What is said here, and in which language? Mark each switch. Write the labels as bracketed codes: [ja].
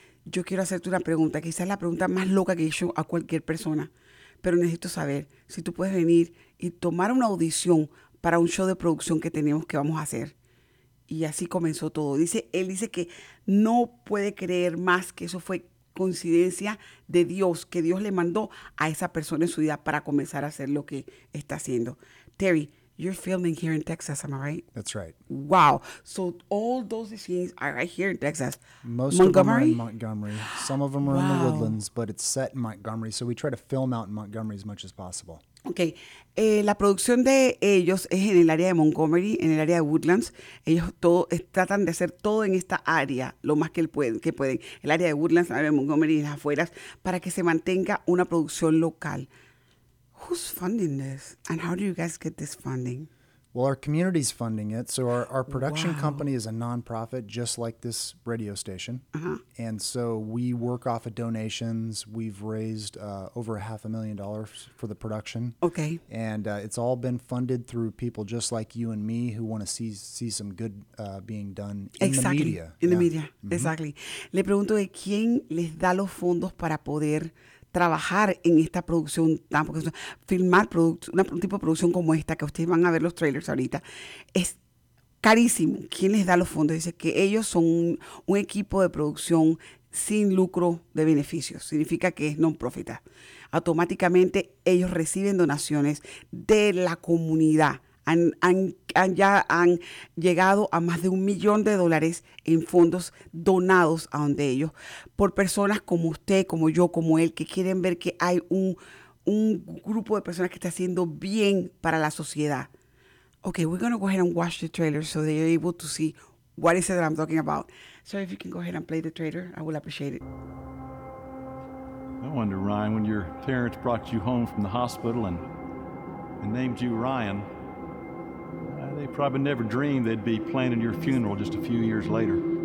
[es] Yo quiero hacerte una pregunta, quizás la pregunta más loca que he hecho a cualquier persona, pero necesito saber si tú puedes venir y tomar una audición para un show de producción que tenemos que vamos a hacer." Y así comenzó todo. Él dice que no puede creer más que eso fue coincidencia de Dios, que Dios le mandó a esa persona en su vida para comenzar a hacer lo que está haciendo. [en] Terry, you're filming here in Texas, am I right? That's right. Wow. So all those scenes are right here in Texas. Most Montgomery? Of them are in Montgomery. Some of them are in the Woodlands, but it's set in Montgomery. So we try to film out in Montgomery as much as possible. Okay. [es] La producción de ellos es en el área de Montgomery, en el área de Woodlands. Ellos todo tratan de hacer todo en esta área lo más que pueden. El área de Woodlands, el área de Montgomery y las afueras, para que se mantenga una producción local. [en] Who's funding this, and how do you guys get this funding? Well, our community's funding it. So our production company is a nonprofit, just like this radio station. Uh-huh. And so we work off of donations. We've raised over $500,000 for the production. Okay. And it's all been funded through people just like you and me who want to see some good being done in exactly. the media. In the media. Mm-hmm. Exactly. [es] Le pregunto de quién les da los fondos para poder trabajar en esta producción, porque filmar un tipo de producción como esta, que ustedes van a ver los trailers ahorita, es carísimo. ¿Quién les da los fondos? Dice que ellos son un equipo de producción sin lucro de beneficios. Significa que es non-profit. Automáticamente ellos reciben donaciones de la comunidad. Han llegado a más de $1,000,000 en fondos donados a donde ellos, por personas como usted, como yo, como él, que quieren ver que hay un grupo de personas que está haciendo bien para la sociedad. [en] Okay, we're going to go ahead and watch the trailer so they are able to see what is it that I'm talking about. Sorry, if you can go ahead and play the trailer, I will appreciate it. No wonder, Ryan, when your parents brought you home from the hospital and named you Ryan, they probably never dreamed they'd be planning your funeral just a few years later.